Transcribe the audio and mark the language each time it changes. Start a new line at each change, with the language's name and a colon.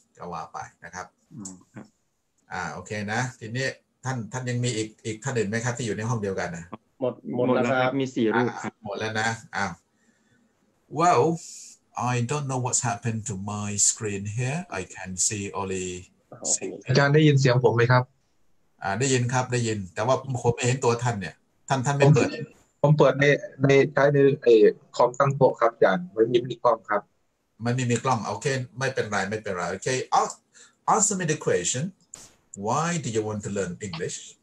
Thai: ก็ว่าไปนะครับโอเคนะทีนี้ท่านยังมีอีกท่านอื่นไหมครับที่อยู่ในห้องเดียวกันนะ หมดแล้วครับ มีสี่รูป หมดแล้วนะ
English: Well, I don't know what's happened to my screen here. I can see only.
Thai: อาจารย์ได้ยินเสียงผมไหมครับ ได้ยินครับได้ยินแต่ว่าผมไม่เห็นตัวท่านเนี่ยท่านไม่เปิด ผมเปิดในใช้ในคอมตั้งโต๊ะครับอาจารย์ไม่มีกล้องครับ ไม่มีกล้องโอเคไม่เป็นไรโอเค
English: ask me the question why do you want to learn English